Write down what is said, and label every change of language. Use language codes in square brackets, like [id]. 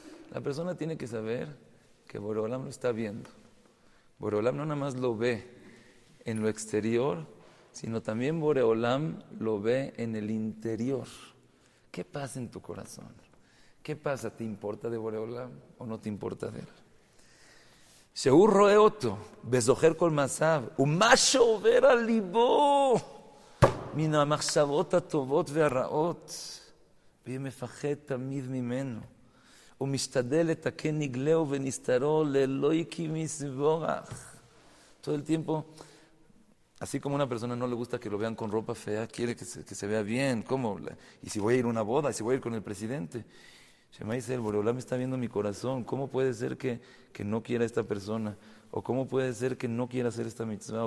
[es] La persona tiene que saber que Boreolam lo está viendo. Boreolam no nada más lo ve en lo exterior, sino también Boreolam lo ve en el interior. ¿Qué pasa en tu corazón? ¿Qué pasa? ¿Te importa de Boreolam o no te importa de él? [he] שהוא רואה אותו, וזוכר כל מעשיו, ומה שעובר על ליבו, מן המחשבות הטובות והרעות, והיא מפחד תמיד ממנו, ומשתדל לתקן נגלהו ונסתרו, ללא יקי מסבורך. [es] Todo el tiempo, así como una persona no le gusta que lo vean con ropa fea, quiere que se vea bien, ¿cómo? Y si voy a ir a una boda, si voy a ir con el presidente. Shema Yisrael, Boreolam está viendo mi corazón. ¿Cómo puede ser que no quiera esta persona? ¿O cómo puede ser que no quiera hacer esta mitzvah?